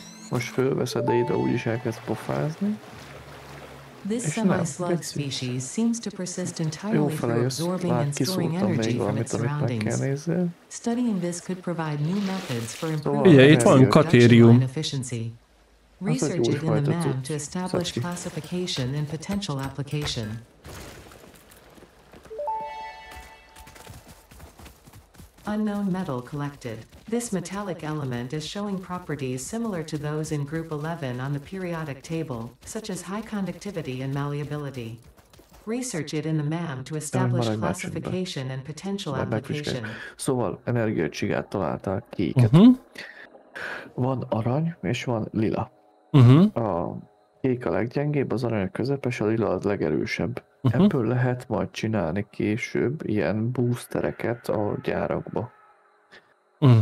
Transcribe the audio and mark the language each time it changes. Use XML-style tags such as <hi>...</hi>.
<hu>Most fölveszed, de ide úgyis elkezd pofázni.</hu> <en>This semi-slug species seems to persist entirely through absorbing and storing energy from its surroundings. Studying this could provide new methods for improving production and efficiency. Research it in the MAM to establish classification and potential application. Unknown metal collected. This metallic element is showing properties similar to those in group 11 on the periodic table, such as high conductivity and malleability. Research it in the MAM to establish classification and potential application.</en> <hu>Szóval energiacsigát találták kéket. Uh-huh. Van arany és van lila. Uh-huh. A kék a leggyengébb, az arany a közepes, a lila a legerősebb. Uh-huh. Ebből lehet majd csinálni később ilyen boostereket a gyárakba. Uh-huh.</hu>